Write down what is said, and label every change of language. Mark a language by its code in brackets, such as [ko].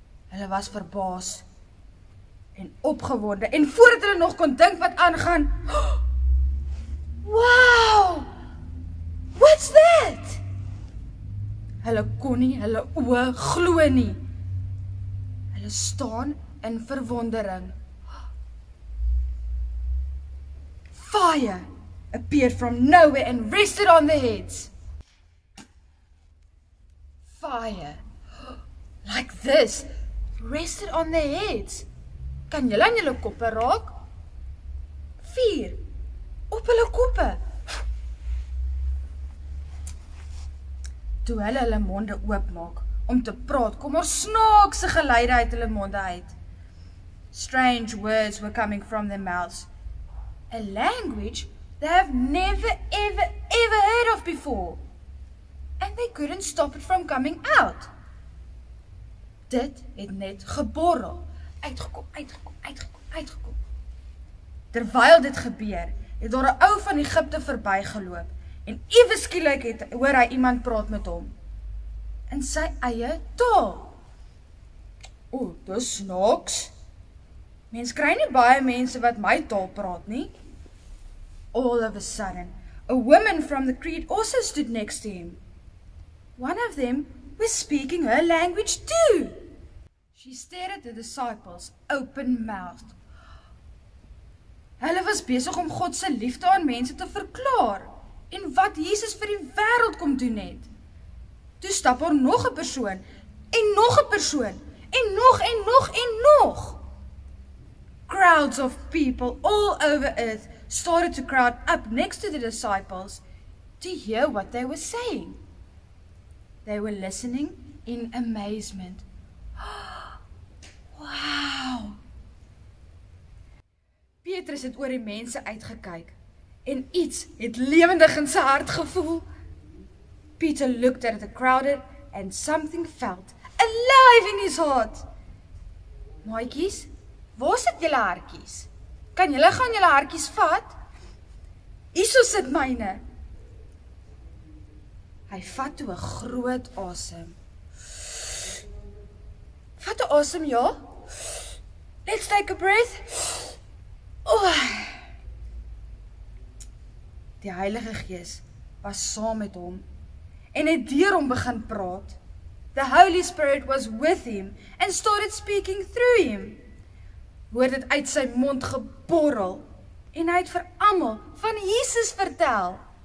[af] Hulle was verbaas en opgewonde en voordat hulle nog kon dink wat aangaan, wow! [en] What's that? [af] Hulle kon nie hulle oë glo nie. Hulle staan in verwondering. [en] Fire appeared from nowhere and rested on their heads. Fire. Like this. Rested on their heads. [af] Kan julle aan julle koppe raak? Vuur. Op hulle koppe. Toe hulle monde oopmaak om te praat, kom ons snaakse geluide uit hulle monde uit. [en] Strange words were coming from their mouths. A language they have never, ever, ever heard of before. And they couldn't stop it from coming out. [af] Dit het net geborrel. Uitgekom, uitgekom, uitgekom, uitgekom. Terwyl dit gebeur, het daar 'n ou van Egipte verbygeloop. En ewe skielik het hoor hy iemand praat met hom in sy eie taal. O, dis snaaks. Mens kry nie baie mense wat my taal praat nie. [en] All of a sudden, a woman from the Crete also stood next to him. One of them was speaking her language too. She stared at the disciples open-mouthed. [af] Hulle was besig om God se liefde aan mense te verklaar. En wat Jesus vir die wêreld kom doen het. Toe stap daar nog 'n persoon en nog 'n persoon en nog en nog en nog. [en] Crowds of people all over earth started to crowd up next to the disciples to hear what they were saying. They were listening in amazement. Wow. [af] Petrus het oor die mense uitgekyk. En iets het lewendig in sy hart gevoel. [en] Peter looked at the crowded and something felt alive in his heart. [af] Maatjies, waar sit julle hartjies? Kan julle gaan julle hartjies vat? Hierso sit myne. Hy vat toe 'n groot asem. Vat 'n asem, ja. [en] Let's take a breath. [af] Oh. Die Heilige Gees was saam met hom en het deur hom begin praat. [en] The Holy Spirit was with him and started speaking through him. [af] hoor dit uit zijn mond geborrel. En hy het vir almal van Jesus vertel.